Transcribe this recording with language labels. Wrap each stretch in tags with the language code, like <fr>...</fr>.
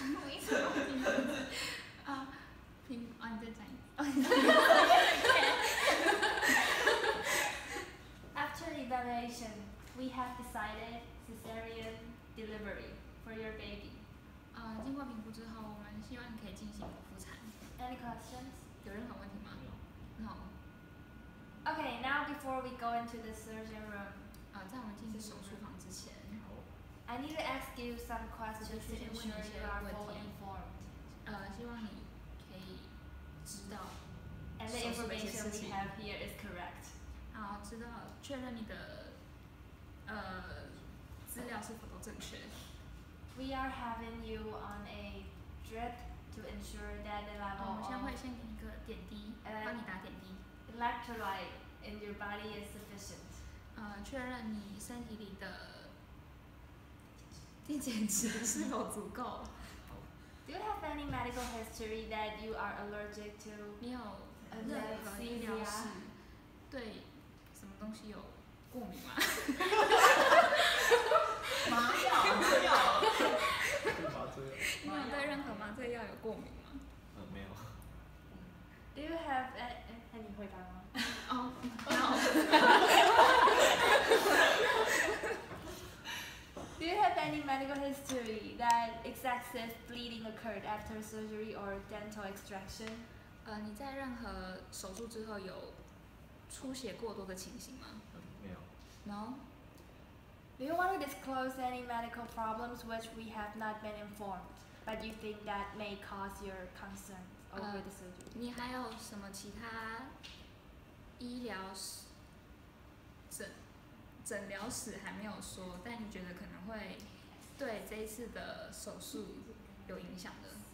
<zh>没什么关系。评啊，你再讲一次。</zh> <en>After evaluation, we have decided cesarean delivery. For your baby.</en> <zh>经过评估之后，我们希望你可以进行剖腹产。</zh> <en>Any questions?</en> <zh>有任何问题吗？没有。</zh> <en>No. Okay, now before we go into the surgery room.</en> <zh>在我们进去手术房之前。</zh> <en>I need to ask you some questions to ensure you are fully informed.</en> <zh>希望你可以知道。</zh> <en>And the information we have here is correct.</en> <zh>知道，确认你的资料是否都正确。</zh> <en>We are having you on a drip to ensure that the level.</en> <zh>我们先会先给你一个点滴，帮你打点滴。</zh> <en>Electrolyte in your body is sufficient.</en> <zh>确认你身体里的电解质是否足够。</zh> <en>Do you have any medical history that you are allergic to?</en> <zh>你有任何医疗史对什么东西有过敏吗？麻药，麻药，对任何麻醉药有过敏吗？没有。</zh> <en>Do you have a？</en> <zh>你回答吗？</zh> <en>No. Do you have any medical history that excessive bleeding occurred after surgery or dental extraction？</en> <zh>你在任何手术之后有出血过多的情形吗？没有。</zh> <en>No。 Do you want to disclose any medical problems which we have not been informed, but you think that may cause your concern over the surgery?</en> <zh>你还有什么其他医疗史、诊疗史还没有说，但你觉得可能会对这一次的手术有影响的？</zh>